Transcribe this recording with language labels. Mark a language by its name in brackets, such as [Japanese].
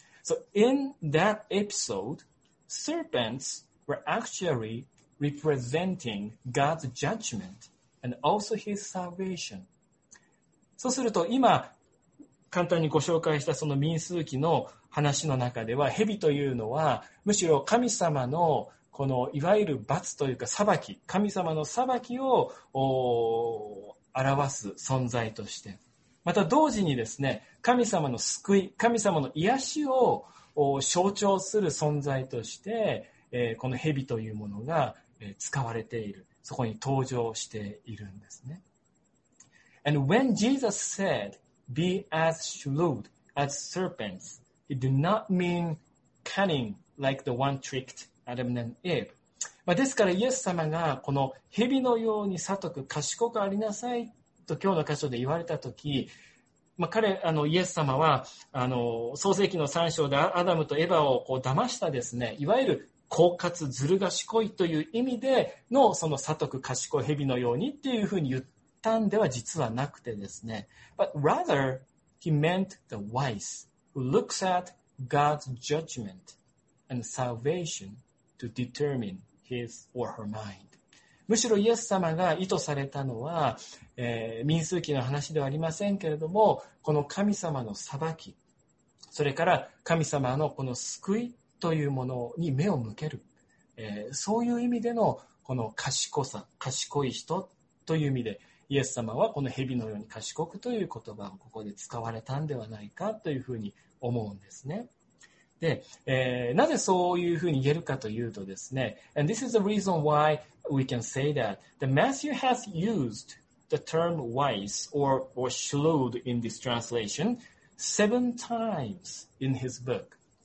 [English] So in that episode, serpentsWe're actually representing God's judgment and also His salvation. [Japanese] そうすると今簡単にご紹介したその民数記の話の中では、蛇というのはむしろ神様のこのいわゆる罰というか裁き、神様の裁きを表す存在として、また同時にですね、神様の救い、神様の癒しを象徴する存在として、この蛇というものが使われている、そこに登場しているんですね。 [English] And when Jesus said, be as shrewd as serpents, he did not mean cunning like the one tricked Adam and Eve. [Japanese] まあ、ですからイエス様がこの蛇のように悟く賢くありなさいと今日の箇所で言われたとき、まあ、彼、イエス様は創世記の3章でアダムとエバをこう騙したですね、いわゆる狡猾ずる賢いという意味でのその悟く賢い蛇のようにっていうふうに言ったんでは実はなくてですね。 [English] But rather, he meant the wise who looks at God's judgment and salvation to determine his or her mind. [Japanese] むしろイエス様が意図されたのは、民数記の話ではありませんけれども、この神様の裁き、それから神様のこの救いというものに目を向ける、そういう意味でのこの賢さ、賢い人という意味でイエス様はこの蛇のように賢くという言葉をここで使われたんではないかというふうに思うんですね。で、なぜそういうふうに言えるかというとですね、 [English] And this is the reason why we can say that the Matthew has used the term wise or shrewd in this translation seven times in his book.